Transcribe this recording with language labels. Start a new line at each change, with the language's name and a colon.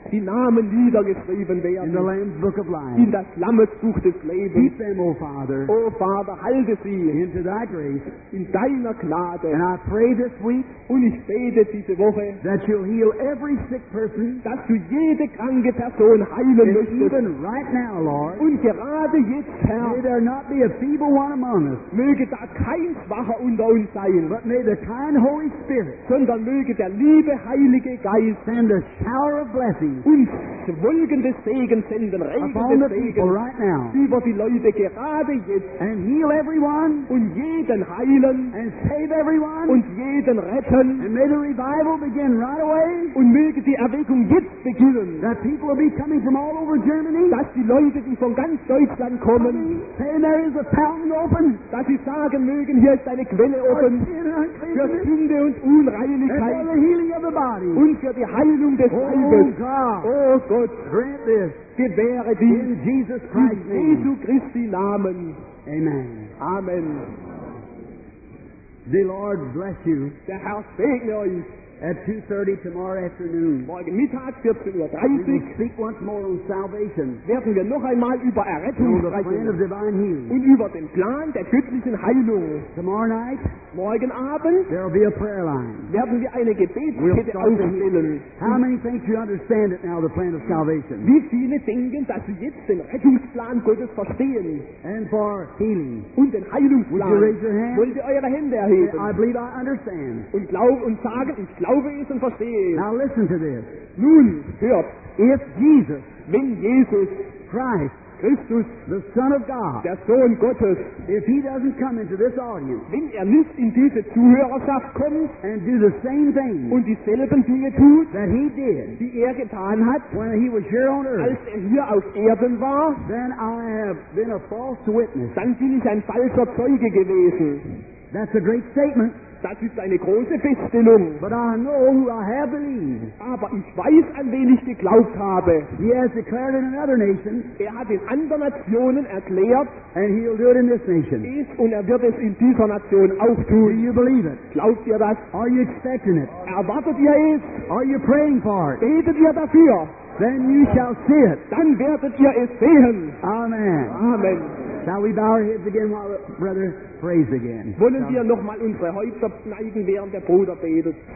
German: Die Namen niedergeschrieben werden.
English: In the Lamb's Book of Life.
German: In das Lammesbuch des Lebens.
English: Keep them, oh Father. Oh Father,
German: halte sie.
English: Into thy grace.
German: In deiner Gnade.
English: And I pray this week,
German: und ich bete diese Woche,
English: that you'll heal every sick person,
German: dass du jede kranke Person heilen möchtest.
English: Even right now, Lord,
German: und gerade jetzt, Herr,
English: may there not be a feeble one among us,
German: möge da kein Schwacher unter uns sein,
English: but may the kind Holy Spirit,
German: sondern möge der liebe Heilige Geist,
English: send a shower of blessings,
German: uns wolkende Segen senden, Regen des Segens,
English: right now,
German: über die Leute gerade jetzt,
English: and heal everyone,
German: und jeden heilen,
English: and save everyone,
German: und jeden retten,
English: and may the revival begin right away,
German: und möge die Erweckung jetzt beginnen,
English: that people will be coming from all over Germany,
German: dass die Leute, die von ganz Deutschland kommen,
English: saying there is a fountain open,
German: dass sie sagen mögen, hier ist eine Quelle offen, für Sünde und Unreinigkeit,
English: and for the healing of the body,
German: und für die Heilung des Leibes.
English: Oh God,
German: oh Gott,
English: grant this,
German: gewähre dies,
English: in Jesus Christ,
German: in Jesu Christi Namen.
English: Amen.
German: Amen.
English: The Lord bless you.
German: Der Herr segne euch.
English: At 2:30 tomorrow afternoon.
German: Morgen Mittag 14:30.
English: We speak once more on salvation.
German: Werden wir noch einmal über Errettung sprechen.
English: Of divine healing.
German: Und über den Plan der göttlichen Heilung.
English: Tomorrow night.
German: Morgen Abend.
English: There will be a prayer line.
German: Werden wir eine Gebetskette aufstellen.
English: How many think you understand it now, the plan of salvation?
German: Wie viele denken, dass sie jetzt den Rettungsplan Gottes verstehen?
English: And for healing.
German: Und den Heilungsplan.
English: Would you raise your hand?
German: Wollt ihr eure Hände erheben?
English: I believe I understand.
German: Und glaub und sage ich. Glaube es und verstehe es.
English: Now listen to this.
German: Nun, hört.
English: If Jesus,
German: wenn Jesus,
English: Christ,
German: Christus,
English: the Son of God,
German: der Sohn Gottes,
English: if he doesn't come into this audience,
German: wenn er nicht in diese Zuhörerschaft kommt,
English: and do the same thing,
German: und dieselben Dinge tut,
English: that he did,
German: die er getan hat,
English: when he was here on earth,
German: als er hier auf Erden war,
English: then I have been a false witness.
German: Dann bin ich ein falscher Zeuge gewesen.
English: That's a great statement.
German: Das ist eine große Feststellung.
English: But I know who I have believed.
German: Aber ich weiß, an wen ich geglaubt habe.
English: He has declared in another nation.
German: Er hat in anderen Nationen erklärt.
English: And he'll do it in this nation.
German: Ist, und er wird es in dieser Nation auch tun.
English: Do you believe it?
German: Glaubt ihr das?
English: Are you expecting it?
German: Erwartet ihr es?
English: Are you praying for it?
German: Betet ihr dafür?
English: Then you shall see it.
German: Dann werdet ihr es sehen.
English: Amen.
German: Amen.
English: Shall we bow our heads again while the brother prays again?
German: Wollen wir nochmal unsere Häupter neigen, während der Bruder betet?